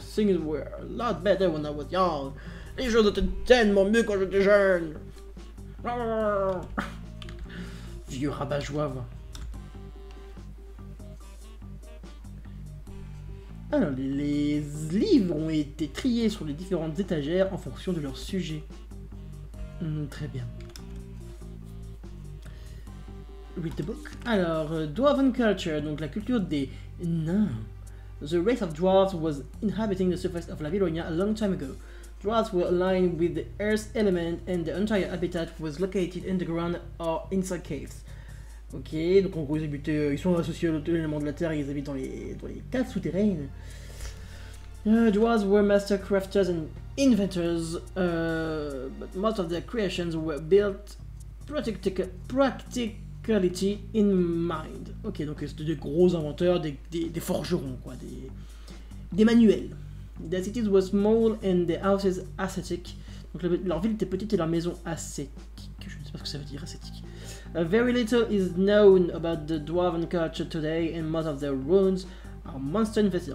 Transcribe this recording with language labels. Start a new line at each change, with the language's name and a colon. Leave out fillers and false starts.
English: Things were a lot better when I was young.
French: Les jeux étaient tellement mieux quand j'étais jeune. Vieux rabat-joie. Alors, les livres ont été triés sur les différentes étagères en fonction de leur sujet. Très bien.
English: Read the book.
French: Alors, Dwarven Culture, donc la culture des nains.
English: The race of dwarves was inhabiting the surface of Laveronia a long time ago. Dwarves were aligned with the Earth element and their entire habitat was located underground or inside caves.
French: Ok, donc en gros ils sont associés à l'élément de la Terre et ils habitent dans les caves souterraines.
English: Dwarves were master crafters and inventors, but most of their creations were built practicality in mind.
French: Ok, donc c'était des gros inventeurs, des forgerons quoi, des manuels.
English: Their cities were small and their houses ascetic.
French: Donc leur ville était petite et leur maison ascétique. Je ne sais pas ce que ça veut dire ascétique.
English: Very little is known about the dwarven culture today and most of their ruins are monster infested.